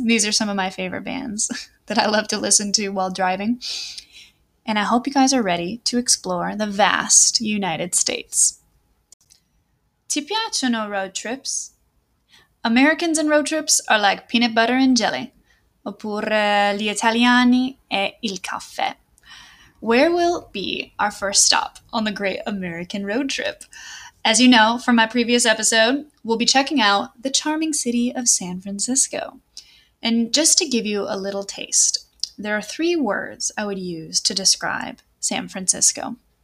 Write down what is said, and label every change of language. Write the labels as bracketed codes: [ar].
[en] These are some of my favorite bands that I love to listen to while driving. And I hope you guys are ready to explore the vast United States. [it] Ti piacciono [en] road trips? Americans and road trips are like peanut butter and jelly. [it] Oppure gli italiani e il caffè. [en] Where will be our first stop on the great American road trip? As you know from my previous episode, we'll be checking out the charming city of San Francisco. And just to give you a little taste, there are three words I would use to describe San Francisco.